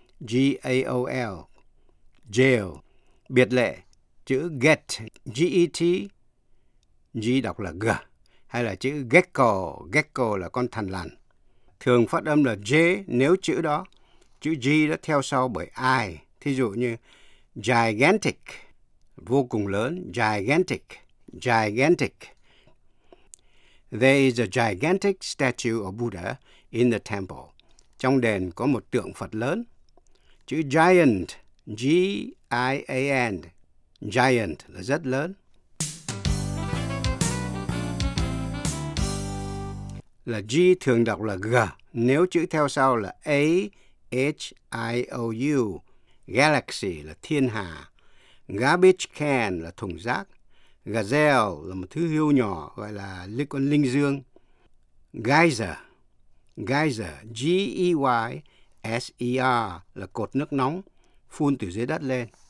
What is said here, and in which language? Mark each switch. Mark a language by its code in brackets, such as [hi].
[vi] G-A-O-L, jail. Biệt lệ, chữ get, G-E-T, G đọc là G. Hay là chữ gecko, gecko là con thằn lằn. Thường phát âm là J nếu chữ đó, chữ G đó theo sau bởi I. Thí dụ như gigantic, vô cùng lớn, gigantic, gigantic. [en] There is a gigantic statue of Buddha in the temple. [vi] Trong đền có một tượng Phật lớn. Chữ giant, G-I-A-N, giant là rất lớn. Là G thường đọc là G, nếu chữ theo sau là A-H-I-O-U, galaxy là thiên hà, garbage can là thùng rác, gazelle là một thứ hươu nhỏ gọi là con linh dương, geyser, geyser, G-E-Y-S-E-R là cột nước nóng, phun từ dưới đất lên.